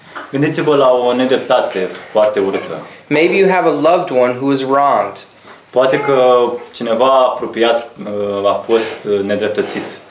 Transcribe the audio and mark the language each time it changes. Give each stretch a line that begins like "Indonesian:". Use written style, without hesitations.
Romanian: Gândiți-vă la o nedreptate foarte urâtă.
English: Maybe you have a loved one who is wronged.
Romanian: Poate că cineva apropiat a fost nedreptățit.